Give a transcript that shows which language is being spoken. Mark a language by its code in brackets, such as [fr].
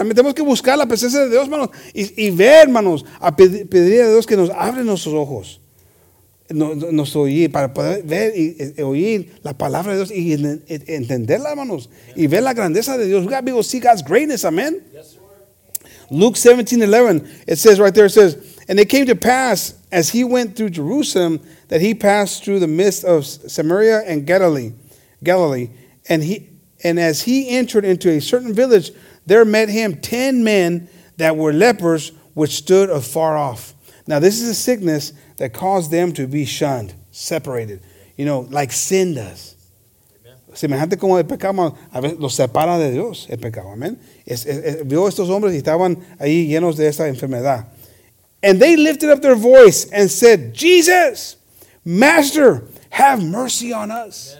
[en] I mean, [es] tenemos que buscar la presencia de Dios, hermanos. Y ver, hermanos, a pedir a Dios que nos abre nuestros ojos. Nos oye para poder ver y oír la palabra de Dios y entenderla, hermanos. Amen. Y ver la grandeza de Dios. [en] We got to see God's greatness. [es] Amen? [en] Yes, sir. Luke 17:11. It says right there, it says, and it came to pass, as he went through Jerusalem, that he passed through the midst of Samaria and Galilee. And as he entered into a certain village, there met him 10 men that were lepers, which stood afar off. Now, this is a sickness that caused them to be shunned, separated, you know, like sin does. [es] Semejante como el pecado, a veces los separa de Dios el pecado, amen. Vio estos hombres y estaban ahí llenos de esta enfermedad. [en] And they lifted up their voice and said, Jesus, Master, have mercy on us.